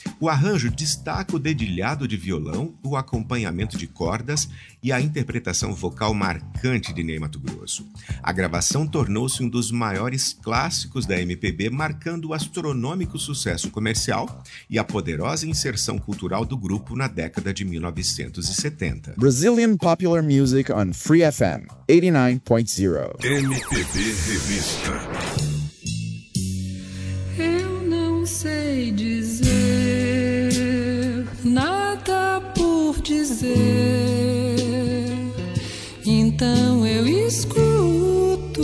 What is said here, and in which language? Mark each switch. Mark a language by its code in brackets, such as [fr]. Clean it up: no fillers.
[pt] O arranjo destaca o dedilhado de violão, o acompanhamento de cordas e a interpretação vocal marcante de Ney Matogrosso. A gravação tornou-se um dos maiores clássicos da MPB, marcando o astronômico sucesso comercial e a poderosa inserção cultural do grupo na década de 1970. [en] Brazilian Popular Music on Free FM 89.0. [pt] MPB Revista. Eu não sei dizer nada por dizer, então eu escuto.